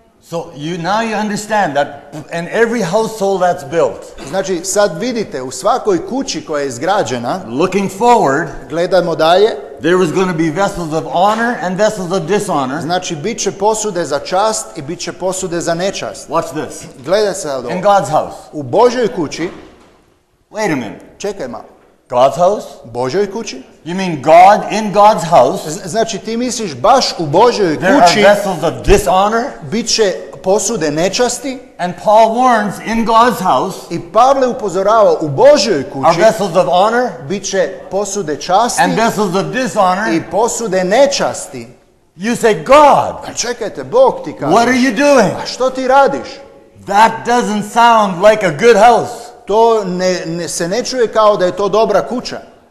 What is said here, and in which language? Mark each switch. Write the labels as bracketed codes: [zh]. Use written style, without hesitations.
[en] So you, now you understand that in every household that's built. [hr] Znači, sad vidite, u svakoj kući koja je izgrađena, [en] looking forward, [hr] gledamo dalje, [en] there was going to be vessels of honor and vessels of dishonor. [hr] Znači, bit će posude za čast i bit će posude za nečast. [en] Watch this. [hr] Gledaj sad ovo. [en] In God's house. [hr] U Božoj kući. [en] Wait a minute. [hr] Čekaj malo. [en] God's house? [hr] Božoj kući? [en] You mean God in God's house? [hr] Znači, ti misliš baš u Božoj kući. [en] There are vessels of dishonor. [hr] Bit će posude nečasti. [en] And Paul warns in God's house. [hr] I Pavle upozorava u Božoj kući. [en] Are vessels of honor. [hr] Bit će posude časti. [en] And vessels of dishonor. [hr] I posude nečasti. [en] You say God. [hr] A čekajte, Bog ti kaže. [en] What are you doing? [hr] A što ti radiš? [en] That doesn't sound like a good house. [hr] To se ne čuje kao da je to dobra kuća.